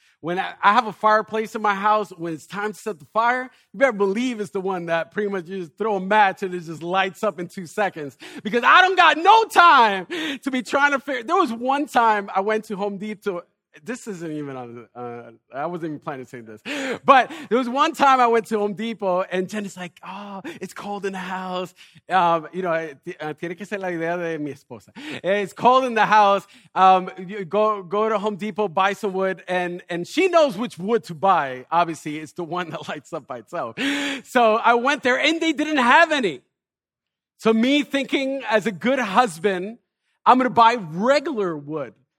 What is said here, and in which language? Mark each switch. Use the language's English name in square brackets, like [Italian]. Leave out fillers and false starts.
[English] When I have a fireplace in my house, when it's time to set the fire, you better believe it's the one that pretty much you just throw a match and it just lights up in 2 seconds. Because I don't got no time to be trying to figure. There was one time I went to Home Depot. This isn't even on. I wasn't even planning to say this. But there was one time I went to Home Depot and Jenny's like, oh, it's cold in the house. You know, [Spanish] tiene que ser la idea de mi esposa. [English] It's cold in the house. Go to Home Depot, buy some wood. And she knows which wood to buy. Obviously, it's the one that lights up by itself. So I went there and they didn't have any. So me thinking as a good husband, I'm going to buy regular wood.